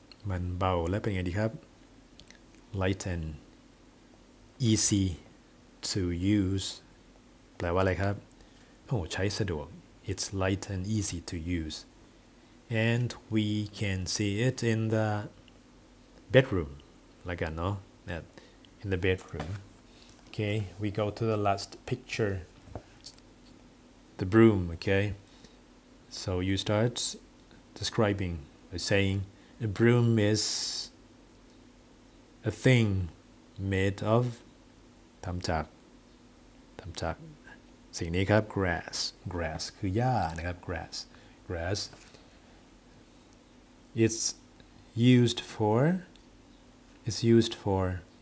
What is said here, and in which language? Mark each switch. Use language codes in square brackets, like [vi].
[th] มันเบาและเป็นไงดีครับ [en] light and easy to use [th] แปลว่าอะไรครับโอ้ใช้สะดวก [en] it's light and easy to useAnd we can see it in the bedroom. Like I know that in the bedroom. Okay, we go to the last picture. The broom, okay. So you start describing by saying a broom is a thing made of tamchak [th] สิ่งนี้ครับ [en] grass [th] คือหญ้านะครับ [en] grass it's used for